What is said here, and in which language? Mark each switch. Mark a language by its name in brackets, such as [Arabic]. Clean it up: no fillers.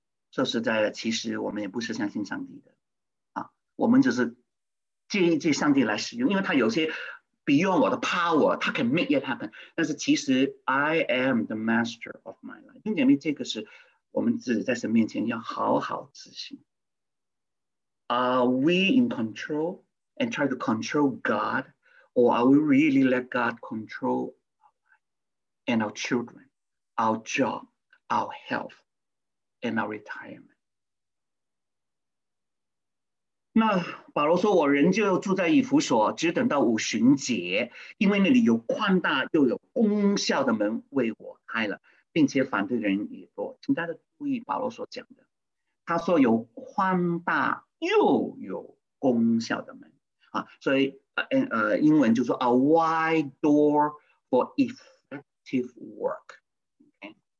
[Chinese] 说实在的，其实我们也不是相信上帝的，我们只是借一借上帝来使用，因为他有些 [English] beyond [Chinese] 我的 [English] power， [Chinese] 他 [English] can make it happen。 [Chinese] 但是其实 [English] I am the master of my life。 [Chinese] 弟兄姐妹，这个是我们自己在神面前要好好自省。 [English] Are we in control and try to control God, or are we really let God control our life and our children, our job, our health, and our retirement？ [Chinese] 那保罗说，我仍旧住在以弗所，只等到五旬节，因为那里有宽大又有功效的门为我开了，并且反对人也多。请大家注意保罗所讲的，他说有宽大又有功效的门、啊、所以、英文就说 [English] a wide door for effective work、 [Chinese] okay?